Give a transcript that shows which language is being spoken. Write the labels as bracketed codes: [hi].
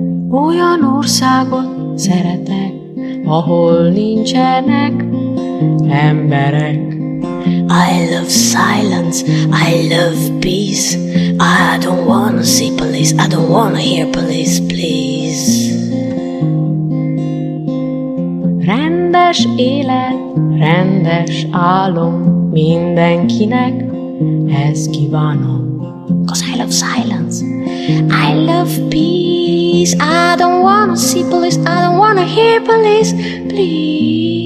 [hu] Ujon országot szeretek, ahol nincsenek emberek. [en] I love silence, I love peace. I don't wanna see police, I don't wanna hear police, please. [hu] Rendes élet, rendes álom, mindenkinek ezt kívánom. [en] 'Cause I love silence, I love peace. I don't wanna see police, I don't wanna hear police, please.